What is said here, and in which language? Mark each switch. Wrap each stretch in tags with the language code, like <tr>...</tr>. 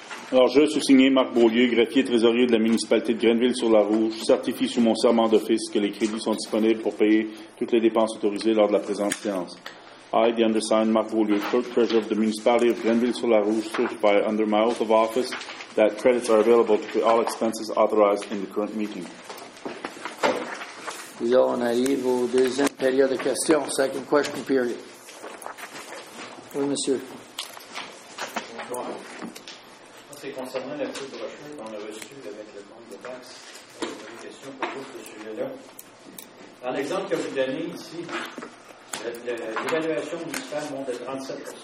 <fr>Alors, je suis signé Marc Beaulieu, greffier trésorier de la municipalité de Grenville-sur-la-Rouge. Je certifie sous mon serment d'office que les crédits sont disponibles pour payer toutes les dépenses autorisées lors de la présente séance.</fr> <en>I, the undersigned Marc Beaulieu, clerk treasurer of the municipality of Grenville-sur-la-Rouge, certify under my oath of office that credits are available to pay all expenses authorized in the current meeting.</en> <fr>Là, on arrive au deuxième période de questions,</fr> <en>second question period.</en> <fr>Oui, monsieur. Bonjour. C'est concernant la petite brochure qu'on a reçue avec le compte de taxes. J'ai une question pour vous, ce sujet-là. Dans l'exemple que vous donnez ici, l'évaluation municipale monte de 37%.</fr>